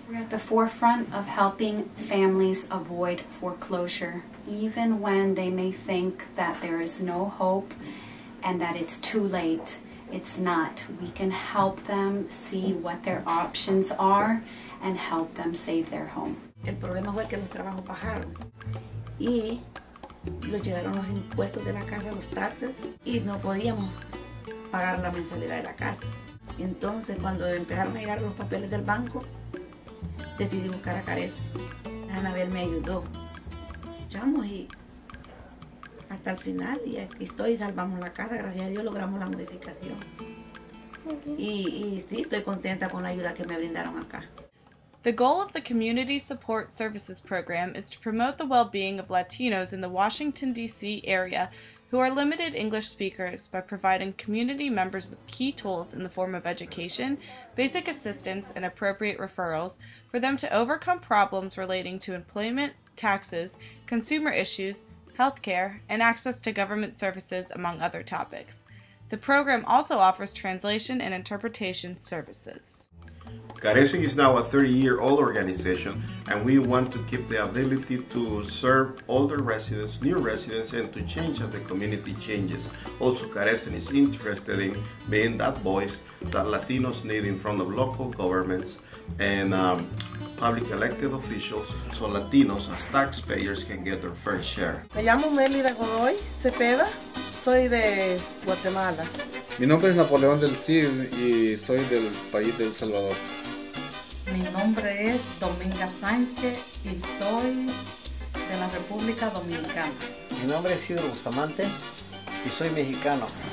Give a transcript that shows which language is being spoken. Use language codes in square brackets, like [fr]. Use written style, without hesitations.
[en] We're at the forefront of helping families avoid foreclosure, even when they may think that there is no hope and that it's too late. It's not. We can help them see what their options are and help them save their home. [es] El problema fue que los trabajos bajaron. Y nos llegaron los impuestos de la casa, los taxes, y no podíamos pagar la mensualidad de la casa. Y entonces, cuando empezaron a llegar los papeles del banco, decidí buscar a CARECEN. Anabel me ayudó. Echamos y hasta el final, y aquí estoy, salvamos la casa. Gracias a Dios logramos la modificación. Y sí, estoy contenta con la ayuda que me brindaron acá. [en] The goal of the Community Support Services Program is to promote the well-being of Latinos in the Washington, D.C. area who are limited English speakers by providing community members with key tools in the form of education, basic assistance, and appropriate referrals for them to overcome problems relating to employment, taxes, consumer issues, healthcare, and access to government services, among other topics. The program also offers translation and interpretation services. CARECEN is now a 30-year-old organization, and we want to keep the ability to serve older residents, new residents, and to change as the community changes. Also, CARECEN is interested in being that voice that Latinos need in front of local governments and public elected officials, so Latinos as taxpayers can get their fair share. [es] Me llamo Melida Godoy Cepeda. Soy de Guatemala. Mi nombre es Napoleón del Cid y soy del país de El Salvador. Mi nombre es Dominga Sánchez y soy de la República Dominicana. Mi nombre es Isidro Bustamante y soy mexicano.